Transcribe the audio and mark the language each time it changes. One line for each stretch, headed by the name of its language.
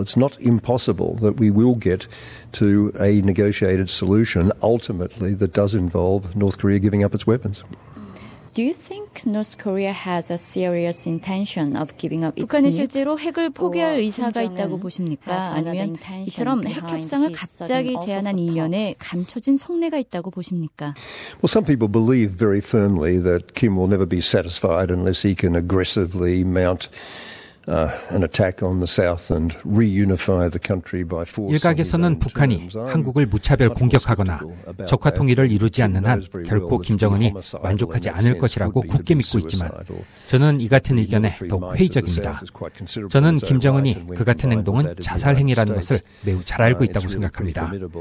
English: It's not impossible that we will get to a negotiated solution ultimately that does involve North Korea giving up its weapons. Do you think North Korea has a serious intention of giving up its nukes?
Korean: 북한이 실제로 핵을 포기할 의사가 있다고 보십니까? 아니면 이처럼 핵 협상을 갑자기 제안한 이면에 감춰진 속내가 있다고 보십니까?
English: Well, some people believe very firmly that Kim will never be satisfied unless he can aggressively mount an attack on the south and reunify the country by force.
Korean: 일각에서는 북한이 한국을 무차별 공격하거나 적화 통일을 이루지 않는 한 결코 김정은이 만족하지 않을 것이라고 굳게 믿고 있지만 저는 이 같은 의견에 더욱 회의적입니다. 저는 김정은이 그 같은 행동은 자살 행위라는 것을 매우 잘 알고 있다고 생각합니다.